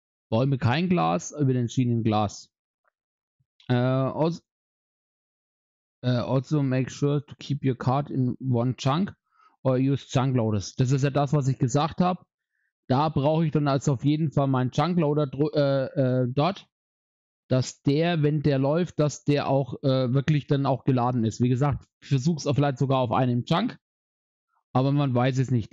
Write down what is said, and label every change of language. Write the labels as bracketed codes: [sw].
[de] Bäume kein Glas, über den Schienen Glas. [en] Also make sure to keep your card in one chunk or use chunk loaders. [de] Das ist ja das, was ich gesagt habe. Da brauche ich dann also auf jeden Fall meinen chunk loader dort. Dass der, wenn der läuft, dass der auch wirklich dann auch geladen ist. Wie gesagt, ich versuch's vielleicht sogar auf einem Chunk. Aber man weiß es nicht.